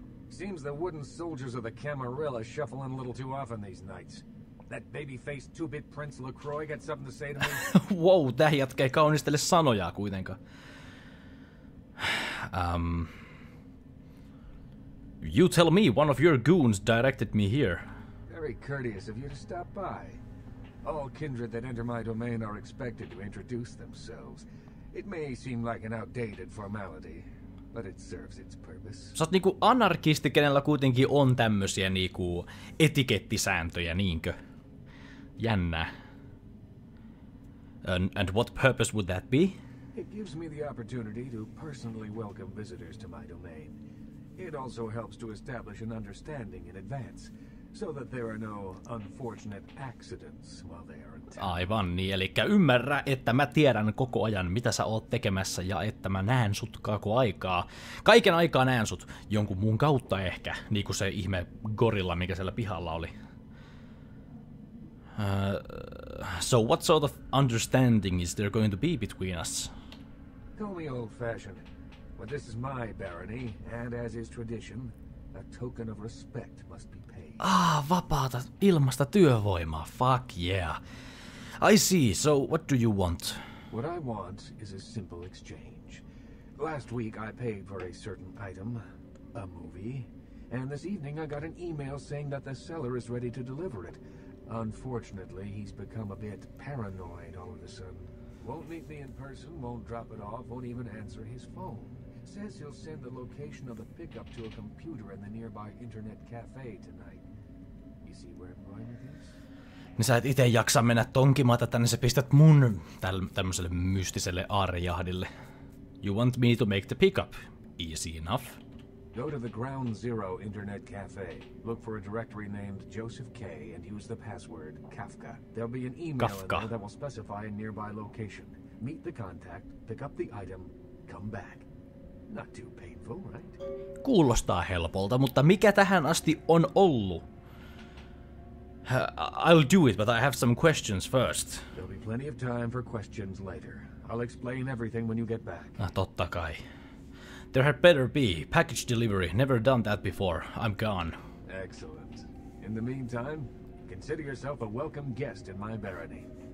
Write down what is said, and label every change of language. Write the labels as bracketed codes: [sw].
[en] Seems the wooden soldiers of the Camarilla shuffle in a little too often these nights. That baby-faced two-bit Prince LaCroix got something to say to me? [fi] Wow, tää jatkee kaunistelle sanojaa kuitenkaan. [en] You tell me, one of your goons directed me here. Very courteous of you to stop by. All kindred that enter my domain are expected to introduce themselves. It may seem like an outdated formality, but it serves its purpose. [fi] Sä oot niinku anarkisti, kenellä kuitenkin on tämmösiä niinku etikettisääntöjä, niinkö? Jännä. [en] And what purpose would that be? It gives me the opportunity to personally welcome visitors to my domain. It also helps to establish an understanding in advance, so that there are no unfortunate accidents while they are in town. [fi] Aivan niin, elikkä ymmärrä, että mä tiedän koko ajan, mitä sä oot tekemässä, ja että mä näen sut koko aikaa. Kaiken aikaa näen sut, jonkun muun kautta ehkä, niinku se ihme gorilla, mikä siellä pihalla oli. [en] So what sort of understanding is there going to be between us? Call me old-fashioned, but this is my barony, and as is tradition, a token of respect must be paid. [fi] Ah, vapaata ilmasta työvoimaa, [en] fuck yeah. I see, so what do you want? What I want is a simple exchange. Last week I paid for a certain item, a movie, and this evening I got an email saying that the seller is ready to deliver it. Unfortunately, he's become a bit paranoid all of a sudden. Won't meet me in person, won't drop it off, won't even answer his phone. Says he'll send the location of the pickup to a computer in the nearby internet cafe tonight. You see where I'm going with this? [fi] Niin sä et ite jaksa mennä tonkimaan tätä, niin sä pistät mun tämmöselle mystiselle aarejahdille. [en] You want me to make the pickup? Easy enough. Go to the Ground Zero Internet Cafe. Look for a directory named Joseph K and use the password Kafka. There'll be an email Kafka. In there that will specify a nearby location. Meet the contact, pick up the item, come back. Not too painful, right? [fi] Kuulostaa helpolta, mutta mikä tähän asti on ollut? [en] I'll do it, but I have some questions first. There'll be plenty of time for questions later. I'll explain everything when you get back. [fi] Ah, totta kai. [en] There had better be. Package delivery. Never done that before. I'm gone. Excellent. In the meantime, consider yourself a welcome guest in my barony.